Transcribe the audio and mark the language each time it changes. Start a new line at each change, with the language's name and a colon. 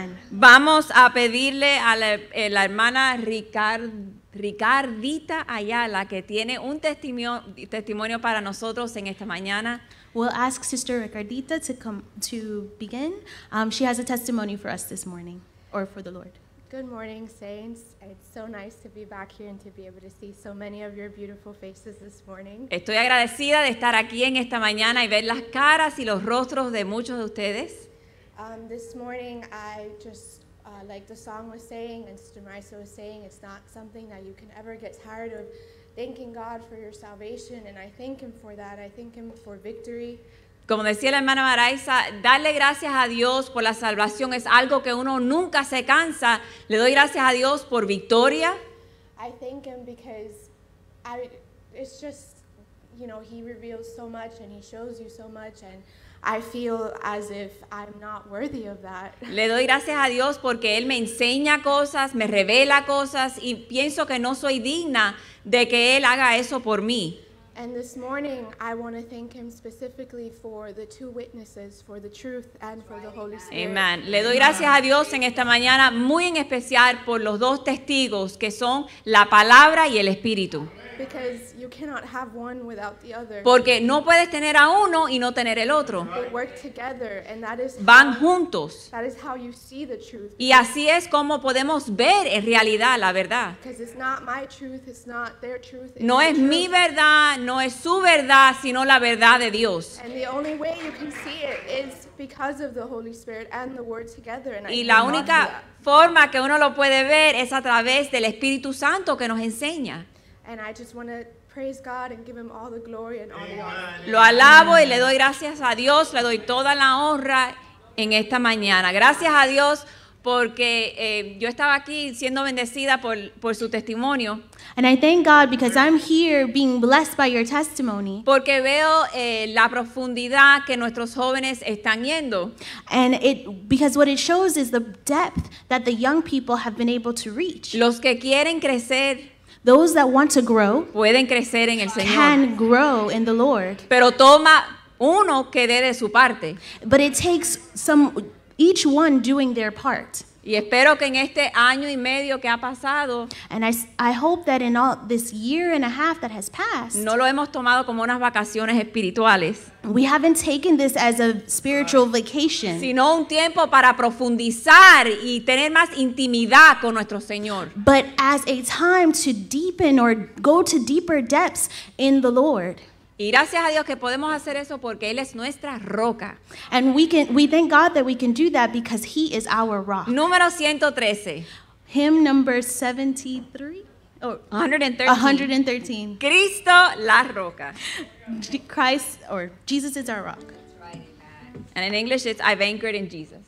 Spanish: Vamos a pedirle a la hermana Ricardita Ayala, que tiene un testimonio para nosotros en esta mañana.
English: We'll ask Sister Ricardita to begin. She has a testimony for us this morning, or for the Lord. Good morning, Saints. It's so nice to be back here and to be able to see so many of your beautiful faces this morning.
Spanish: Estoy agradecida de estar aquí en esta mañana y ver las caras y los rostros de muchos de ustedes.
English: This morning, I just, like the song was saying, and Sister Marisa was saying, it's not something that you can ever get tired of, thanking God for your salvation, and I thank Him for that. I thank Him for victory.
Spanish: Como decía la hermana Marisa, darle gracias a Dios por la salvación es algo que uno nunca se cansa. Le doy gracias a Dios por victoria.
English: I thank Him because it's just, you know, He reveals so much, and He shows you so much, and I feel as if I'm not worthy of that.
Spanish: Le doy gracias a Dios porque Él me enseña cosas, me revela cosas, y pienso que no soy digna de que Él haga eso por mí.
English: And this morning, I want to thank Him specifically for the two witnesses, for the truth and for the Holy Spirit. Amen.
Spanish: Le doy gracias a Dios en esta mañana, muy en especial por los dos testigos que son la palabra y el Espíritu.
English: Because you cannot have one without the other.
Spanish: Porque no puedes tener a uno y no tener el otro.
English: But work together, and that is
Spanish: van juntos.
English: That is how you see the truth.
Spanish: Y así es como podemos ver en realidad la verdad.
English: Because it's not my truth, it's not their truth.
Spanish: No es mi verdad, no es su verdad, sino la verdad de Dios.
English: And the only way you can see it is because of the Holy Spirit and the Word together. And
Spanish: y la única forma que uno lo puede ver es a través del Espíritu Santo que nos enseña.
English: And I just want to praise God and give Him all the glory and all the honor.
Spanish: Lo alabo y le doy gracias a Dios, le doy toda la honra en esta mañana. Gracias a Dios porque yo estaba aquí siendo bendecida por su testimonio.
English: And I thank God because I'm here being blessed by your testimony.
Spanish: Porque veo la profundidad que nuestros jóvenes están yendo.
English: And it because what it shows is the depth that the young people have been able to reach.
Spanish: Los que quieren crecer.
English: Those that want to grow
Spanish: pueden crecer en el Señor.
English: Can grow in the Lord.
Spanish: Pero toma uno que dé de su parte.
English: But it takes some each one doing their part.
Spanish: Y espero que en este año y medio que ha pasado,
English: and I hope that in all this year and a half that has passed,
Spanish: no lo hemos tomado como unas vacaciones espirituales.
English: We haven't taken this as a spiritual vacation,
Spanish: sino un tiempo para profundizar y tener más intimidad con nuestro Señor.
English: But as a time to deepen or go to deeper depths in the Lord.
Spanish: Y gracias a Dios que podemos hacer eso porque Él es nuestra roca.
English: And we thank God that we can do that because He is our rock.
Spanish: Número 113.
English: Hymn number 113.
Spanish: Cristo la roca.
English: Christ or Jesus is our rock. And in English it's I've anchored in Jesus.